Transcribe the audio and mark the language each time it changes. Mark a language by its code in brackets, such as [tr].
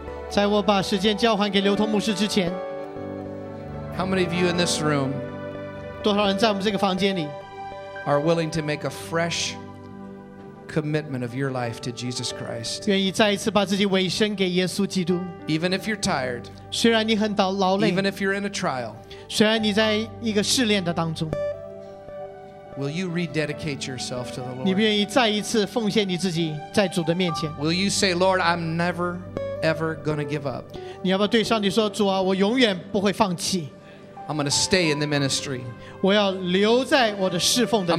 [zh] 在我把时间交还给刘同牧师之前, [en] how many of you in this room are willing to make a fresh commitment of your life to Jesus Christ? Even if you're tired, [zh] 虽然你很劳累, [en] even if you're in a trial, [zh] 虽然你在一个试炼的当中, [en] will you rededicate yourself to the Lord? Will you say, Lord, I'm never, ever going to give up. [zh] 你要不要对上帝说, 主啊, 我永远不会放弃。 [en] I'm going to stay in the ministry. [zh] 我要留在我的侍奉的里面。